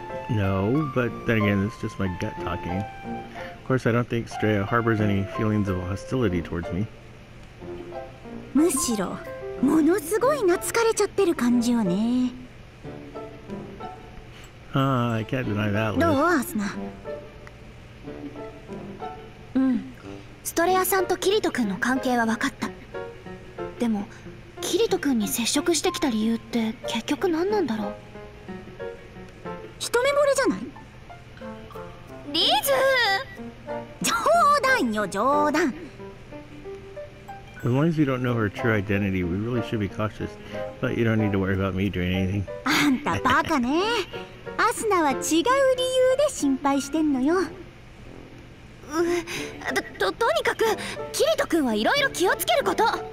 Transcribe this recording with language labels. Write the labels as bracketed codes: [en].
[en] No, but then again, it's just my gut talking. Of course, I don't think Straya harbors any feelings of hostility towards me. [ja] むしろ、ものすごい懐かれちゃってる感じよね。 [en] I can't deny that, Liz. [ja] どう、アスナ。うん、ストレアさんとキリト君の関係は分かった。でも、キリト君に接触してきた理由って結局何なんだろう一目惚れじゃないリズ冗談よ冗談 [en] As long as you don't know her true identity, we really should be cautious. But you don't need to worry about me doing anything. [ja] あんたバカね。アスナは違う理由で心配してんのよ。とにかく、キリト君はいろいろ気をつけること。